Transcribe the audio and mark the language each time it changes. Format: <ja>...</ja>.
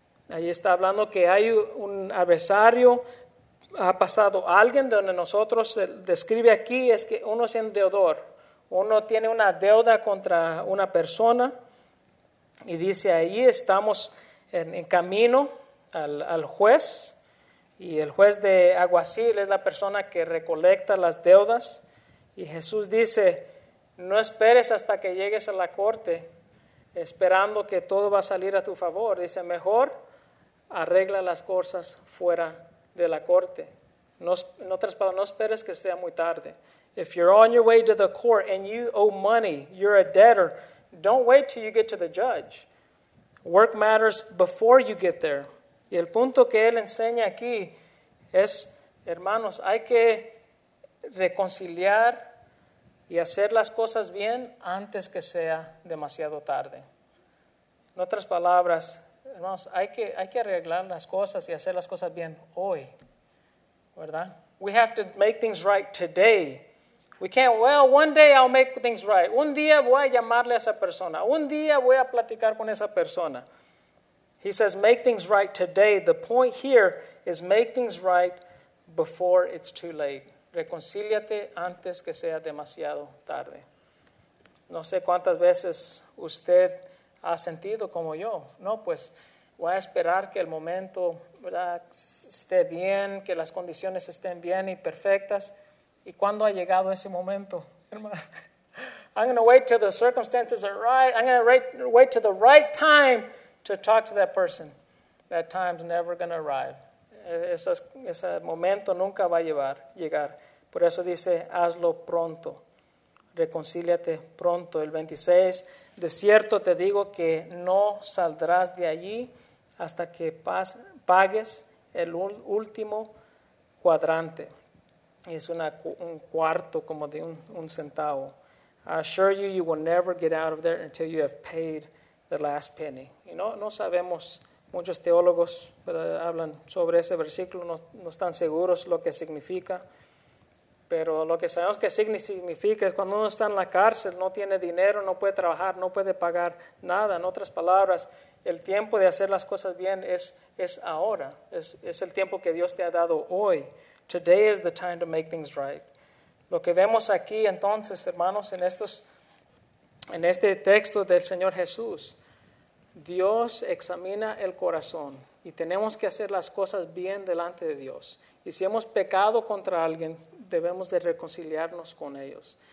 <es>Ahí está hablando que hay un adversario, ha pasado alguien, donde nosotros se describe aquí es que uno es endeudor, uno tiene una deuda contra una persona y dice ahí estamos en camino al juez, y el juez de aguacil es la persona que recolecta las deudas, y Jesús dice, no esperes hasta que llegues a la corte esperando que todo va a salir a tu favor. Dice, mejor arregla las cosas fuera de la corte. No, en otras palabras, no esperes que sea muy tarde.</es> <en>If you're on your way to the court and you owe money, you're a debtor, don't wait till you get to the judge. Work matters before you get there.</en> <es>Y el punto que él enseña aquí es, hermanos, hay que reconciliar y hacer las cosas bien antes que sea demasiado tarde. En otras palabras, hermanos, hay que arreglar las cosas y hacer las cosas bien hoy, ¿verdad?</es> <en>We have to make things right today. We can't, well, one day I'll make things right.</en> <es>Un día voy a llamarle a esa persona. Un día voy a platicar con esa persona.</es> <en>He says, make things right today. The point here is make things right before it's too late.</en> <es>Reconcíliate antes que sea demasiado tarde. No sé cuántas veces usted ha sentido como yo. No, pues voy a esperar que el momento, ¿verdad?, esté bien, que las condiciones estén bien y perfectas. ¿Y cuándo ha llegado ese momento?</es> <en>I'm going to wait till the circumstances are right. I'm going to wait till the right time to talk to that person. That time's never going to arrive.</en> <es>Ese momento nunca va a llegar. Por eso dice, hazlo pronto. Reconcíliate pronto. El 26, de cierto te digo que no saldrás de allí hasta que pagues el último cuadrante. Es un cuarto como de un centavo.</es> <en>I assure you, you will never get out of there until you have paid the last penny.</en> <es>Y no sabemos. Muchos teólogos hablan sobre ese versículo, no están seguros lo que significa. Pero lo que sabemos que significa es cuando uno está en la cárcel, no tiene dinero, no puede trabajar, no puede pagar nada. En otras palabras, el tiempo de hacer las cosas bien es ahora. Es el tiempo que Dios te ha dado hoy.</es> <en>Today is the time to make things right.</en> <es>Lo que vemos aquí entonces, hermanos, en este texto del Señor Jesús, Dios examina el corazón y tenemos que hacer las cosas bien delante de Dios. Y si hemos pecado contra alguien, debemos de reconciliarnos con ellos.</es>